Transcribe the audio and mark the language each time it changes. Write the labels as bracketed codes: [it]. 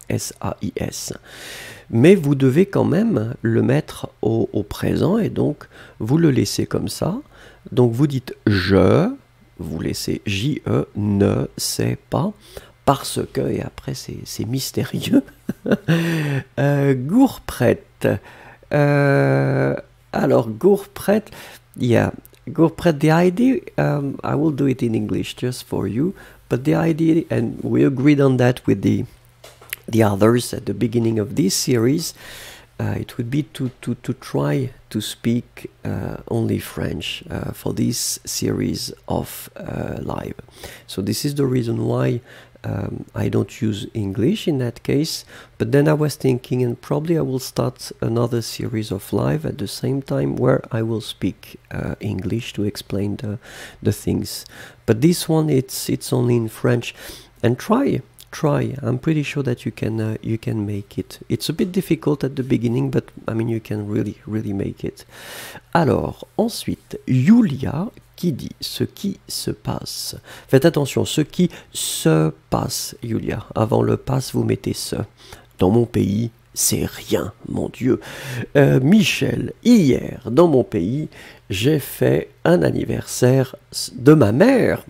[fr] S-A-I-S. Mais vous devez quand même le mettre au présent et donc vous le laissez comme ça. Donc vous dites je, vous laissez J-E, ne sais pas, parce que, et après c'est mystérieux. Gourpret. Alors Gourpret, il y a Gourpret, [en] the idea, I will do it in English just for you, but the idea, and we agreed on that with the others at the beginning of this series, it would be to try to speak only French for this series of live. So this is the reason why I don't use English in that case. But then I was thinking, and probably I will start another series of live at the same time where I will speak English to explain the things. But this one, it's only in French. And try. Try. I'm pretty sure that you can make it. It's a bit difficult at the beginning, but I mean, you can really, really make it. [fr] Alors, ensuite, Julia qui dit ce qui se passe. Faites attention, ce qui se passe, Julia. Avant le passe, vous mettez ce. Dans mon pays, c'est rien, mon Dieu. Michel, hier, dans mon pays, j'ai fait un anniversaire de ma mère.